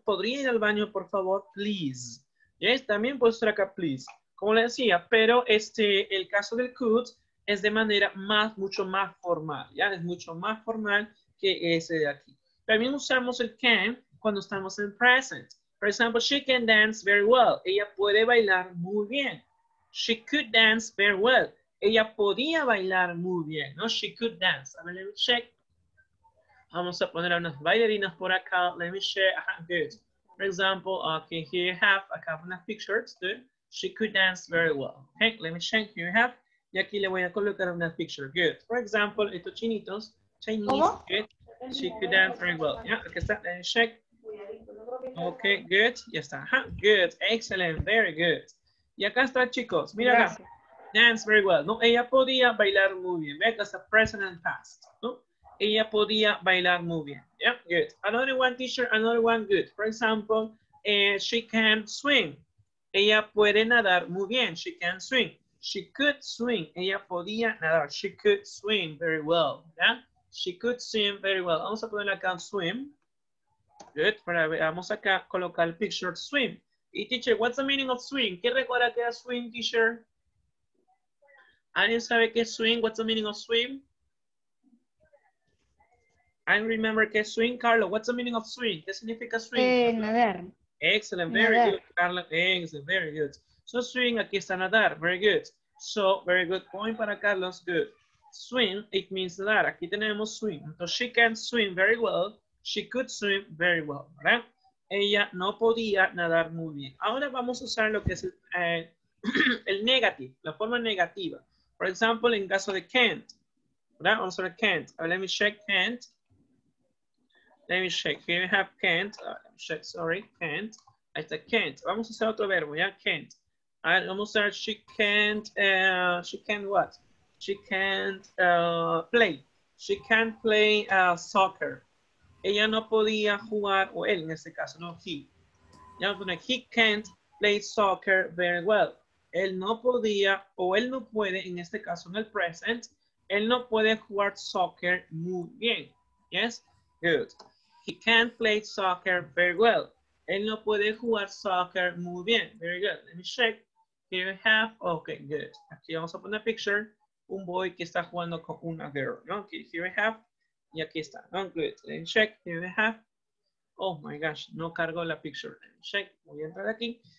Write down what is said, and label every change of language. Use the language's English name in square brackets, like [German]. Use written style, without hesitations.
[Spanish] ¿Podría ir al baño, por favor? [English] Please. Yes. [Spanish] También puede ser acá, please. Como le decía, pero este, el caso del could es de manera más, mucho más formal, ¿ya? Es mucho más formal que ese de aquí. También usamos el can cuando estamos en present. [English] For example, she can dance very well. [Spanish] Ella puede bailar muy bien. [English] She could dance very well. [Spanish] Ella podía bailar muy bien, ¿no? [English] She could dance. [Spanish] A ver, [English] let me check. [Spanish] Vamos a poner a unas bailarinas por acá. [English] Let me check. Aha, good. For example, okay, here you have a couple of pictures, too. She could dance very well. Okay, let me check. Here you have. [Spanish] Y aquí le voy a colocar una picture. [English] Good. For example, [Spanish] estos chinitos. [English] Chinese. ¿Cómo? Good. She could dance very well. Yeah, aquí está. Let me check. Okay, good. Ya está. Ajá. Good. Excellent. Very good. [Spanish] Y acá está, chicos. Mira acá. [English] Dance very well. [Spanish] No, ella podía bailar muy bien. [English] Ve, that's a present and past. [Spanish] No, ella podía bailar muy bien. [English] Yeah, good. Another one, teacher. Another one, good. For example, she can swim. [Spanish] Ella puede nadar muy bien. [English] She can swim. She could swim. [Spanish] Ella podía nadar. [English] She could swim very well. Yeah? She could swim very well. [Spanish] Vamos a poner acá swim. Good. Para ver, vamos acá a colocar el picture swim. [English] Y teacher, what's the meaning of swim? [Spanish] ¿Qué recuerda que es swim, teacher? ¿Alguien sabe qué es swim? [English] What's the meaning of swim? I remember [Spanish] qué es [English] swim, Carlo. What's the meaning of swim? [Spanish] ¿Qué significa swim? Nadar. [English] Excellent. Very nadar. Good, Carlo. Excellent. Very good. So swim, [Spanish] aquí está nadar. [English] Very good. So, very good point [Spanish] para Carlos. [English] Good. Swim, it means nadar. [Spanish] Aquí tenemos swim. [English] So she can swim very well. She could swim very well, ¿verdad? [Spanish] Ella no podía nadar muy bien. Ahora vamos a usar lo que es el negative, la forma negativa. For example, en caso de can't, ¿verdad? Vamos a ver [English] can't. Oh, let me check can't. Let me check. Here we have can't. Let me check, sorry, can't. Ahí está can't. [Spanish] Vamos a usar otro verbo, ¿ya? [English] Can't. [Spanish] A ver, vamos a usar [English] she can't, she can't what? She can't play. She can't play soccer. [Spanish] Ella no podía jugar, o él en este caso, no, he. Ya vamos a poner, [English] he can't play soccer very well. [Spanish] Él no podía, o él no puede, en este caso, en el present, él no puede jugar soccer muy bien. [English] Yes? Good. He can't play soccer very well. [Spanish] Él no puede jugar soccer muy bien. [English] Very good. Let me check. Here we have, okay, good. [Spanish] Aquí vamos a poner a picture, un boy que está jugando con una girl. [English] ¿No? Okay, here we have. [Spanish] Y aquí está. [English] Oh, good. Let me check. Here we have. Oh, my gosh. [Spanish] No cargo la picture. [English] Let me check. [Spanish] Voy a entrar aquí.